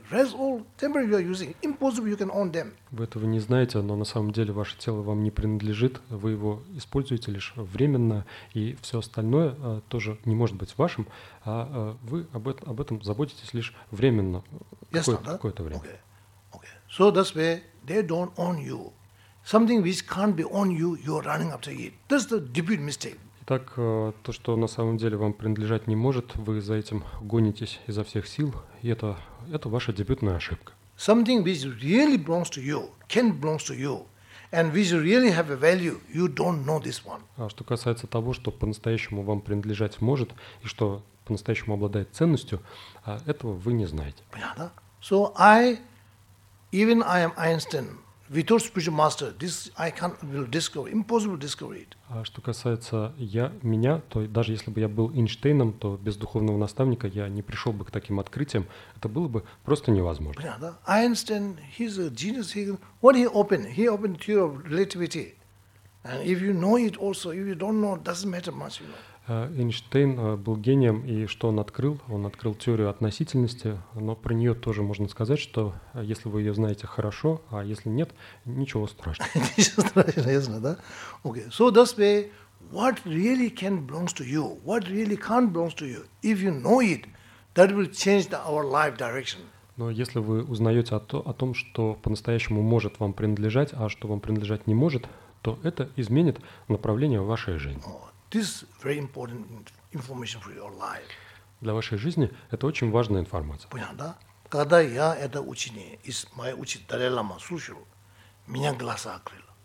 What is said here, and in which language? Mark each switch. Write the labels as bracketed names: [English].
[English] Rest all temporary you are using. Impossible you can own them. [Russian] Вы этого не знаете, но на самом деле ваше тело вам не принадлежит. Вы его используете лишь временно, и все остальное тоже не может быть вашим. А вы об этом заботитесь лишь временно, какое-то время. [English] Okay. Okay. So that's why they don't own you. Something which can't be on you, you are running after it. That's the debut mistake. [Russian] Так, то, что на самом деле вам принадлежать не может, вы за этим гонитесь изо всех сил, и это ваша дебютная ошибка. [English] Something which really belongs to you, can belong to you, and which really have a value, you don't know this one. [Russian] А что касается того, что по-настоящему вам принадлежать может, и что по-настоящему обладает ценностью, этого вы не знаете. Понятно? [English] So even I am Einstein, without spiritual master, this I can't will discover, impossible to discover it. [Russian] А что касается меня, то даже если бы я был Эйнштейном, то без духовного наставника я не пришел бы к таким открытиям. Это было бы просто невозможно. Понятно? [English] Einstein, he's a genius. What he opened? He opened the theory of relativity. And if you know it also, if you don't know, doesn't matter much, you know. [Russian] Эйнштейн был гением, и что он открыл? Он открыл теорию относительности, но про нее тоже можно сказать, что если вы ее знаете хорошо, а если нет, ничего страшного. Ничего страшного, ясно, да? [English] Okay, so that's why what really can belongs to you, what really can't belongs to you, if you know it, that will change our life direction. [Russian] Но если вы узнаете о том, что по-настоящему может вам принадлежать, а что вам принадлежать не может, то это изменит направление вашей жизни. [English] This is very important information for your life. [Russian] Для вашей жизни это очень важная информация. Понятно, да? Когда я это учение из моей учителя Далай Лама слушал, меня глаза открыли.